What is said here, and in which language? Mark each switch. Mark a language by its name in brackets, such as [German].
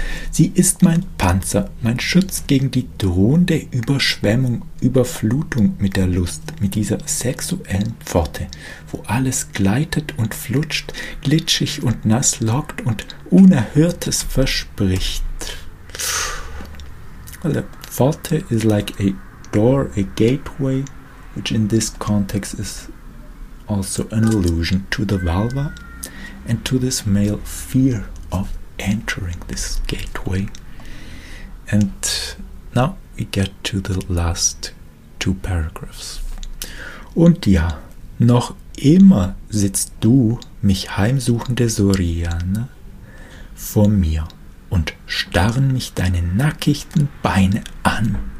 [German] Sie ist mein Panzer, mein Schutz gegen die drohende Überschwemmung, Überflutung mit der Lust, mit dieser sexuellen Pforte, wo alles gleitet und flutscht, glitschig und nass lockt und Unerhörtes verspricht. [English] Well, the Pforte is like a door, a gateway, which in this context is also an allusion to the vulva and to this male fear of entering this gateway. And now we get to the last two paragraphs. [German] Und ja, noch immer sitzt du, mich heimsuchende Soriane, vor mir und starren mich deine nackigten Beine an.